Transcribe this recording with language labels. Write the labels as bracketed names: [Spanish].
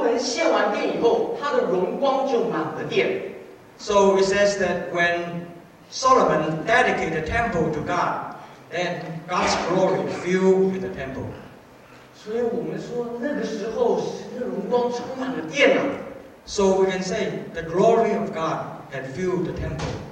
[Chinese] 耶和华的荣光当所罗门献完殿以后,他的荣光就满了殿。 [English] So it says that when Solomon dedicated the temple to God, then God's glory filled with the temple. [Chinese] 所以我们说那个时候神的荣光充满了殿了。 [English] So we can say the glory of God had filled the temple.